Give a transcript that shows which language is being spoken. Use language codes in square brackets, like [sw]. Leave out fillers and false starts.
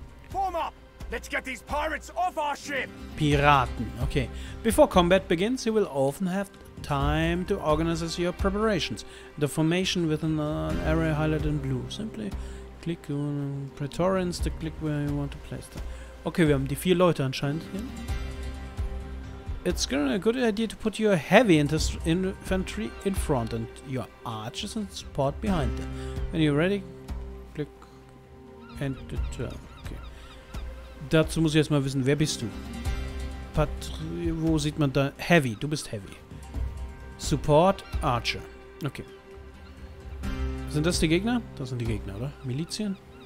[en] Form up! Let's get these pirates off our ship! [de] Piraten, okay. [en] Before combat begins, you will often have time to organize your preparations. The formation within an area highlighted in blue. Simply click on Praetorians to click where you want to place them. [de] Okay, wir haben die vier Leute anscheinend hier. [en] It's a good idea to put your heavy infantry in front and your archers in support behind them. When you're ready, click and return. Okay. [de] Dazu muss ich erstmal wissen, wer bist du? Wo sieht man da? Heavy, du bist heavy. Support Archer. Okay. Sind das die Gegner? Das sind die Gegner, oder? Milizien.